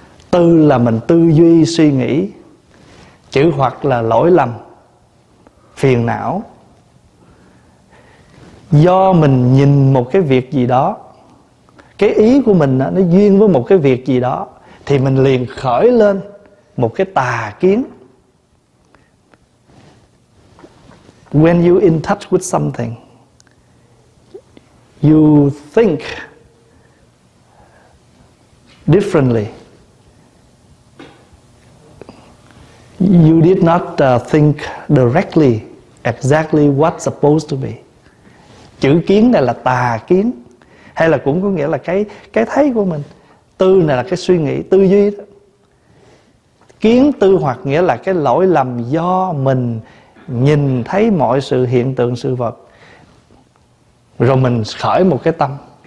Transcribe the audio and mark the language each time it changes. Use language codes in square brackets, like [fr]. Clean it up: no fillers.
[vi] Tư là mình tư duy suy nghĩ. Chữ hoặc là lỗi lầm, phiền não. Do mình nhìn một cái việc gì đó, cái ý của mình nó duyên với một cái việc gì đó, thì mình liền khởi lên một cái tà kiến. [en] When you in touch with something, you think differently. You did not think directly, exactly what supposed to be. [vi] Chữ kiến này là tà kiến, hay là cũng có nghĩa là cái thấy của mình. Tư này là cái suy nghĩ, tư duy đó. Kiến tư hoặc nghĩa là cái lỗi lầm do mình nhìn thấy mọi sự hiện tượng sự vật, rồi mình khởi một cái tâm.